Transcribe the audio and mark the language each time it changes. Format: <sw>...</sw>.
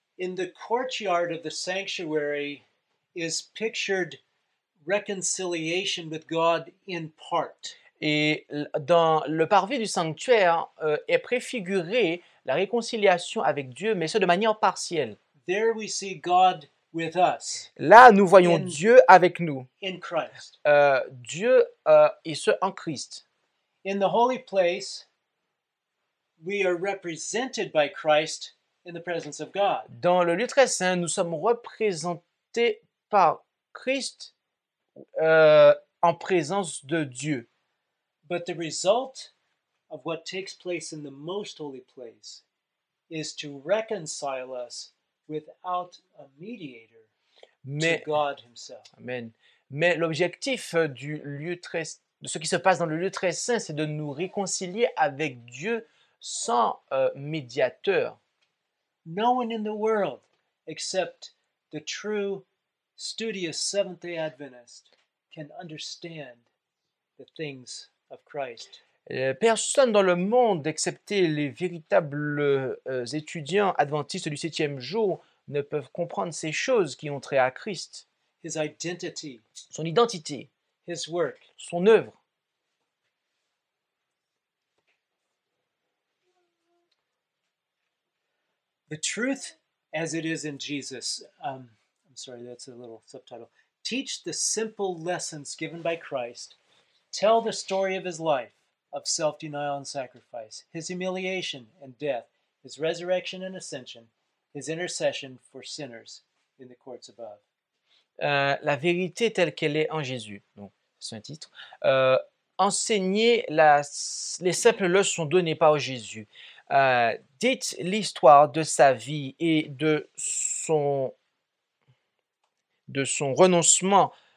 <en>In the courtyard of the sanctuary is pictured reconciliation with God in part.</en> <fr>Et dans le parvis du sanctuaire est préfiguré la réconciliation avec Dieu, mais ce de manière partielle.</fr> <en>There we see God with us.</en> <fr>Là, nous voyons Dieu avec nous.</fr> <en>In Christ.</en> <fr>Dieu et ce en Christ.</fr> <en>In the holy place, we are represented by Christ in the presence of God.</en> <fr>Dans le lieu très saint, nous sommes représentés par Christ en présence de Dieu.</fr> <en>But the result of what takes place in the most holy place is to reconcile us without a mediator, to God Himself. Amen.</en> <fr>Mais l'objectif du lieu très, de ce qui se passe dans le lieu très saint, c'est de nous réconcilier avec Dieu sans médiateur.</fr> <en>No one in the world, except the true, studious Seventh-day Adventist, can understand the things of Christ.</en> <fr>Personne dans le monde, excepté les véritables étudiants adventistes du septième jour, ne peuvent comprendre ces choses qui ont trait à Christ.</fr> <en>His identity,</en> <fr>son identité,</fr> <en>his work,</en> <fr>son œuvre.</fr> <en>The truth as it is in Jesus. I'm sorry, that's a little subtitle. Teach the simple lessons given by Christ. Tell the story of his life. Of self-denial and sacrifice, his humiliation and death, his resurrection and ascension, his intercession for sinners in the courts above.</en> <fr>La vérité telle qu'elle est en Jésus, donc c'est un titre. Enseignez les simples leçons données par Jésus. Dites l'histoire de sa vie et de son renoncement.</fr>